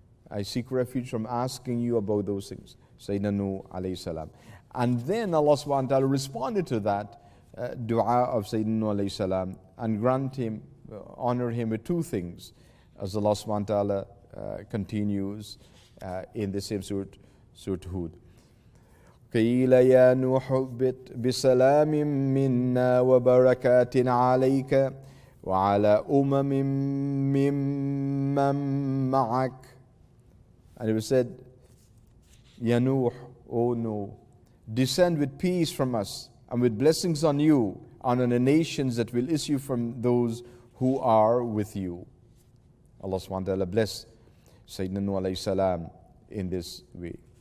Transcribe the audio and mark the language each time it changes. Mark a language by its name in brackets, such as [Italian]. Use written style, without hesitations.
[English] I seek refuge from asking you about those things, Sayyidina Nuh alayhi salam. And then Allah subhanahu wa ta'ala responded to that dua of Sayyidina Nuh alayhi salam and grant him, honor him with two things, as Allah subhanahu wa ta'ala continues in the same surah Hud. [Arabic] قيل يا نوح اهبط بسلام منا وبركات عليك وعلى أمم ممن معك. [English] And it was said, [Arabic] يا نوح, [English] O Noah, descend with peace from us and with blessings on you and on the nations that will issue from those who are with you. Allah subhanahu wa ta'ala bless Sayyidina Nuh alayhi salam in this way.